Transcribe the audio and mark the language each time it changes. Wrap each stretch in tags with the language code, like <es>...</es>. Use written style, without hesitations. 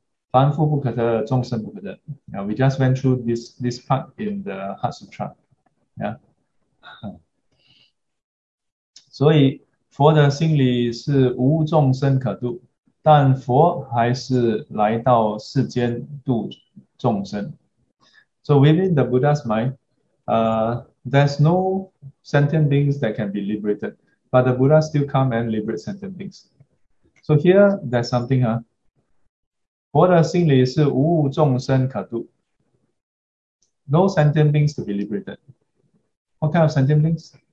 <zh>凡夫不可得，众生不可得.</zh> <en>We just went through this part in the Heart Sutra.</en> <zh>所以, 佛的心里是无众生可度, 但佛还是来到世间度众生.</zh> <en>So within the Buddha's mind, there's no sentient beings that can be liberated, but the Buddha still come and liberate sentient beings. So here, there's something,</en> <zh>佛的心里是无众生可度,</zh> <en>no sentient beings to be liberated. What kind of sentient beings?</en>